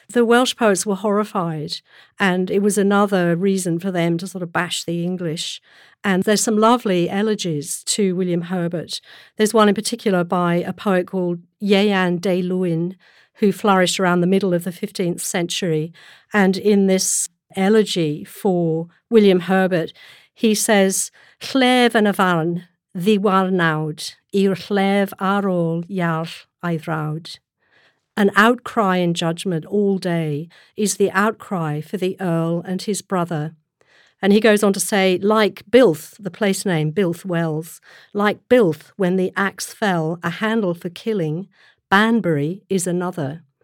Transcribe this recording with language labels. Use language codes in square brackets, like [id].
[en] The Welsh poets were horrified, and it was another reason for them to sort of bash the English. And there's some lovely elegies to William Herbert. There's one in particular by a poet called Ieuan de Luyn, who flourished around the middle of the 15th century. And in this elegy for William Herbert, he says, [cy] Llef yn y farn, ddiwar nawd, i'r llef ar ôl iarll a'i ddrawd. [en] An outcry in judgment all day is the outcry for the Earl and his brother. And he goes on to say, like Bilth, the place name, Bilth Wells, like Bilth, when the axe fell, a handle for killing, Banbury is another.